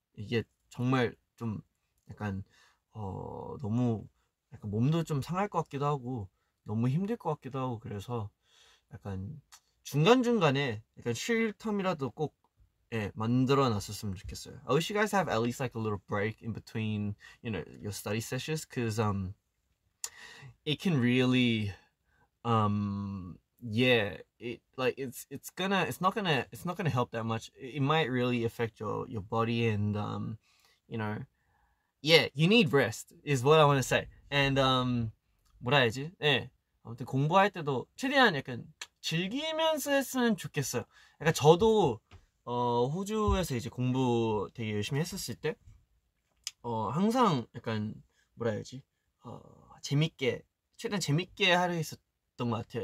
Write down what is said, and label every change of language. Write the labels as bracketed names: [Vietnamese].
[Korean] 이게 정말 좀 약간 너무 약간 몸도 좀 상할 것 같기도 하고 너무 힘들 것 같기도 하고 그래서 약간 중간 중간에 약간 쉴 텀이라도 꼭 예, 만들어 놨었으면 좋겠어요. [English] I wish you guys have at least like a little break in between, you know, your study sessions, because it can really, yeah, it's not gonna help that much. It might really affect your body and, you know, yeah, you need rest is what I want to say. [Korean] And 뭐라 해야지? 예, 아무튼 공부할 때도 최대한 약간 즐기면서 했으면 좋겠어요. 약간 저도 호주에서 이제 공부 되게 열심히 했었을 때 항상 약간 뭐라 해야지 재밌게 최대한 재밌게 하려 했었던 것 같아요.